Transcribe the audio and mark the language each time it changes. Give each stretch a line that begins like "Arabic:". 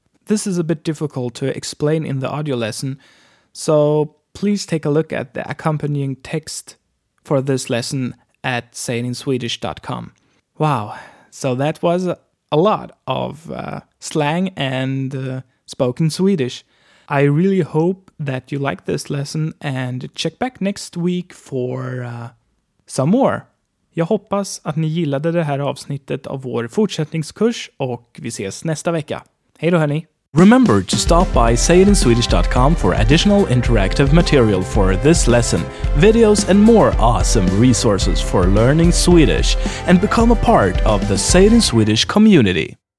English: This is a bit difficult to explain in the audio lesson, so please take a look at the accompanying text for this lesson at sayinginswedish.com. Wow, so that was a lot of slang and spoken Swedish. I really hope that you like this lesson and check back next week for some more.
Swedish: Jag hoppas att ni gillade det här avsnittet av vår fortsättningskurs och vi ses nästa vecka. Hej då hörni!
English: Remember to stop by sayitinswedish.com for additional interactive material for this lesson, videos and more awesome resources for learning Swedish and become a part of the Say It in Swedish community.